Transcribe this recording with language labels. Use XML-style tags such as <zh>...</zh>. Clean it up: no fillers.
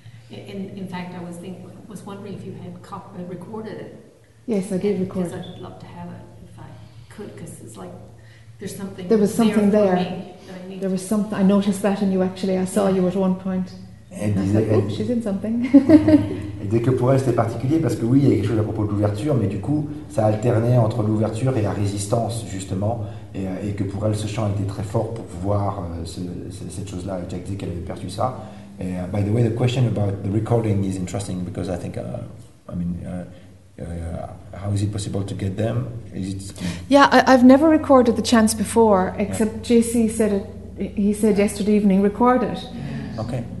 <en>In fact, I was wondering if you had recorded it. Yes, I did record it. I'd love to have it if I could, because it's like there's something there. Was something there. There was something, I noticed that in you actually, I saw you at one point.</en> <fr>Elle disait,</fr> <en>like, she's in something.</en> <fr>Et dès que pour elle c'était particulier parce que oui il y a quelque chose à propos de l'ouverture, mais du coup ça alternait entre l'ouverture et la résistance justement, et que pour elle ce chant était très fort pour pouvoir cette chose là Jack dit qu'elle avait perdu ça. Et</fr> <en>by the way, the question about the recording is interesting because I think how is it possible to get them? Is it? Yeah, I've never recorded the chants before except JC said it. He said yesterday evening, record it. Okay.</en>